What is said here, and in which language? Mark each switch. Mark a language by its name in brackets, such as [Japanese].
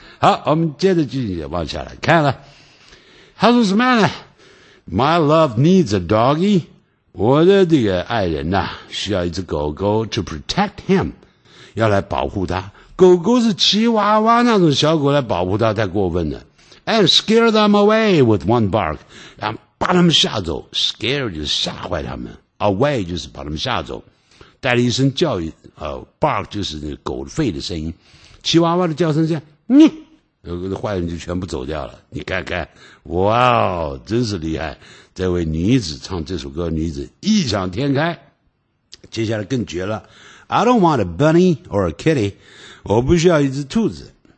[Chinese] 好，我们接着继续往下来看了。他说什么呢？ [English] My love needs a doggy. [Chinese] 我的这个爱人啊，需要一只狗狗 [English] to protect him. [Chinese] 要来保护他。狗狗是奇娃娃那种小狗来保护他，太过分了。 [English] And scare them away with one bark. [Chinese] 把他们吓走， scare 就是吓坏他们， away 就是把他们吓走，带了一声叫一、bark 就是那个狗吠的声音，奇娃娃的叫声像你、坏人就全部走掉了。你看看，哇，真是厉害，这位女子唱这首歌女子异想天开。接下来更绝了， [English] I don't want a bunny or a kitty， [Chinese] 我不需要一只兔子。